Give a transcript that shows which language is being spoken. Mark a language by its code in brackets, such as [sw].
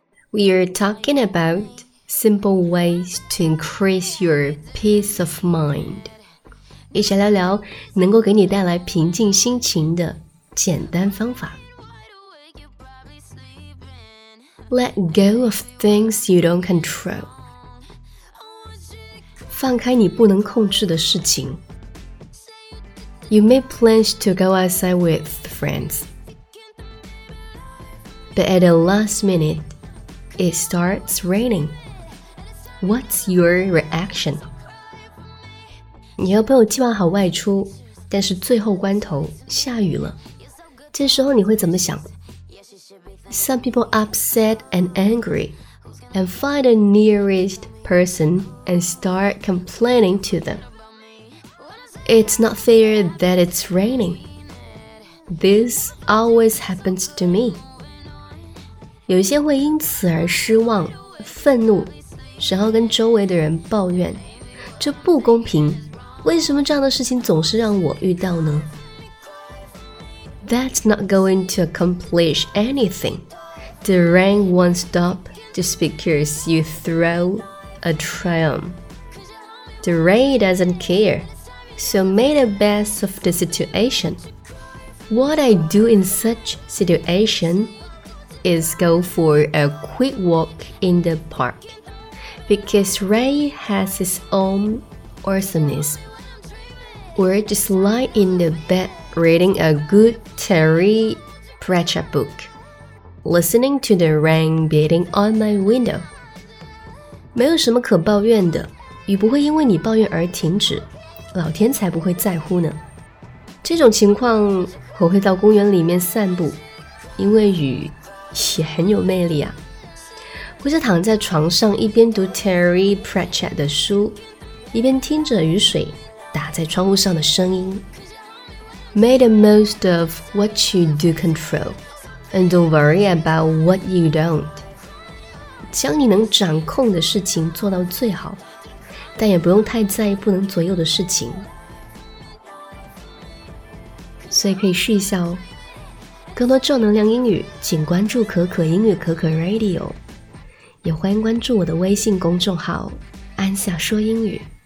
[en] We are talking about simple ways to increase your peace of mind， [zh] 一起聊聊能够给你带来平静心情的简单方法。 [en] Let go of things you don't control. [zh] 放开你不能控制的事情。 [en] You made plans to go outside with friends, but at the last minute, it starts raining. What's your reaction? [zh] 你和朋友计划好外出，但是最后关头下雨了。这时候你会怎么想？ [en] Some people upset and angry and find the nearest person and start complaining to them. It's not fair that it's raining. This always happens to me. 有些会因此而失望、愤怒，然后跟周围的人抱怨，这不公平，为什么这样的事情总是让我遇到呢？ That's not going to accomplish anything. The rain won't stop just because you throw a tantrum. The rain doesn't care, so make the best of the situation. What I do in such situation is go for a quick walk in the park, because rain has its own awesomeness. Or just lie in the bedReading a good Terry Pratchett book. Listening to the rain beating on my window. [zh] 没有什么可抱怨的，雨不会因为你抱怨而停止，老天才不会在乎呢。这种情况，我会到公园里面散步，因为雨也很有魅力啊。或是躺在床上一边读 Terry Pratchett 的书，一边听着雨水打在窗户上的声音。 [en] Make the most of what you do control, and don't worry about what you don't. [zh] 将你能掌控的事情做到最好，但也不用太在意不能左右的事情。所以可以试一下哦。更多正能量英语，请关注可可英语可可 Radio， 也欢迎关注我的微信公众号安夏说英语。